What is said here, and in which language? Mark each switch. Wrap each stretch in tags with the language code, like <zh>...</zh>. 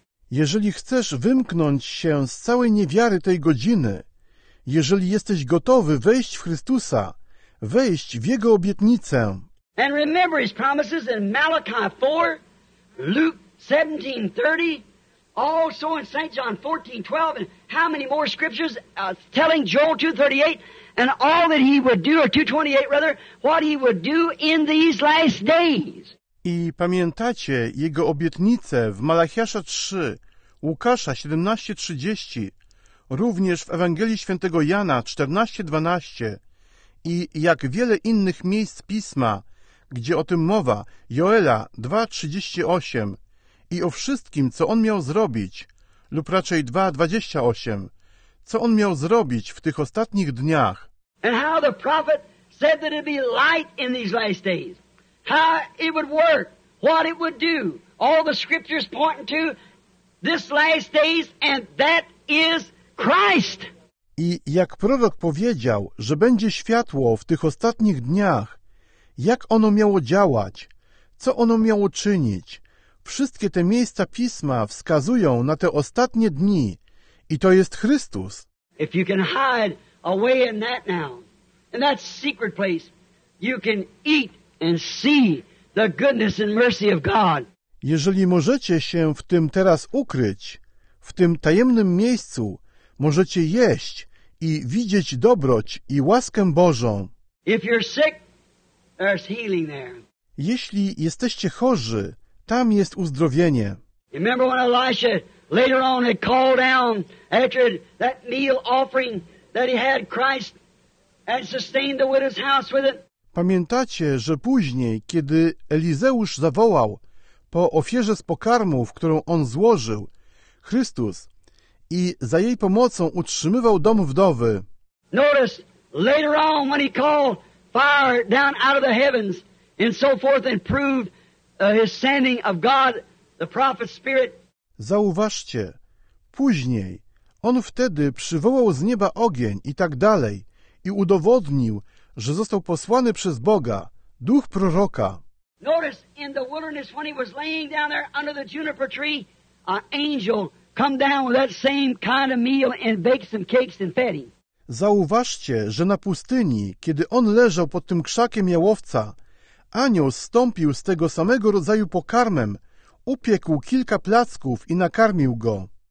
<pl>Jeżeli chcesz wymknąć się z całej niewiary tej godziny, jeżeli jesteś gotowy wejść w Chrystusa, wejść w Jego obietnicę.</pl> <en>And remember his promises in Malachi 4, Luke 17:30, also in St. John 14:12, and how many more scriptures telling Joel 2:38, and all that he would do, or 2:28 rather, what he would do in these last days.</en> <pl>I pamiętacie jego obietnice w Malachiasza 3, Łukasza 17:30, również w Ewangelii Świętego Jana 14:12 i jak wiele innych miejsc Pisma, gdzie o tym mowa, Joela 2:38 i o wszystkim, co on miał zrobić, lub raczej 2:28, co on miał zrobić w tych ostatnich dniach.</pl> <en>And how the prophet said that it'd be light in these last days. How it would work, what it would do. All the scriptures pointing to this last days, and that is Christ.</en> <pl>I jak prorok powiedział, że będzie światło w tych ostatnich dniach, jak ono miało działać, co ono miało czynić, wszystkie te miejsca Pisma wskazują na te ostatnie dni i to jest Chrystus.</pl> <en>If you can hide away in that now, in that secret place, you can eat and see the goodness and mercy of God.</en> <pl>Jeżeli możecie się w tym teraz ukryć, w tym tajemnym miejscu, możecie jeść i widzieć dobroć i łaskę Bożą.</pl> <en>If you're sick, there's healing there.</en> <pl>Jeśli jesteście chorzy, tam jest uzdrowienie.</pl> <en>Remember when Elisha later on had called down after that meal offering that he had Christ and sustained the widow's house with it?</en> <pl>Pamiętacie, że później, kiedy Elizeusz zawołał po ofierze z pokarmów, którą on złożył, Chrystus, i za jej pomocą utrzymywał dom wdowy.</pl> <en>Notice later on when he called fire down out of the heavens and so forth and proved his sending of God, the prophet's spirit.</en> <pl>Zauważcie, później on wtedy przywołał z nieba ogień i tak dalej i udowodnił, że został posłany przez Boga, duch proroka.</pl> <en>Notice in the wilderness when he was laying down there under the juniper tree, an angel come down with that same kind of meal and baked some cakes and fed him.</en> <pl>Zauważcie, że na pustyni, kiedy on leżał pod tym krzakiem jałowca, anioł zstąpił z tego samego rodzaju pokarmem, upiekł kilka placków i nakarmił go.</pl>